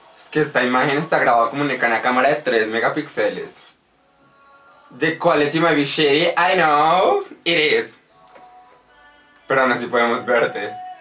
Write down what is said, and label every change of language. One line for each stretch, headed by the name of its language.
Spanish: Que esta imagen está grabada como en una cámara de 3 megapíxeles.
English: The quality might be shitty, I know, it is.
Spanish: Pero aún así podemos verte.